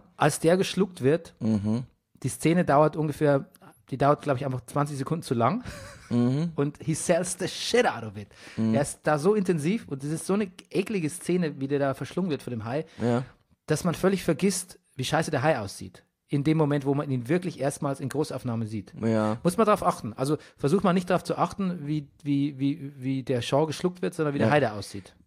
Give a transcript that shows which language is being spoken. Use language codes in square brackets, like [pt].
[de] Fall, als der geschluckt wird, die Szene dauert ungefähr. Die dauert, glaube ich, einfach 20 Sekunden zu lang. [en] Und he sells the shit out of it. Mhm. [de] Er ist da so intensiv und es ist so eine eklige Szene, wie der da verschlungen wird von dem Hai, dass man völlig vergisst, wie scheiße der Hai aussieht. In dem Moment, wo man ihn wirklich erstmals in Großaufnahme sieht. Ja. Muss man darauf achten. Also versucht man nicht darauf zu achten, wie der Shaw geschluckt wird, sondern wie der Hai da aussieht.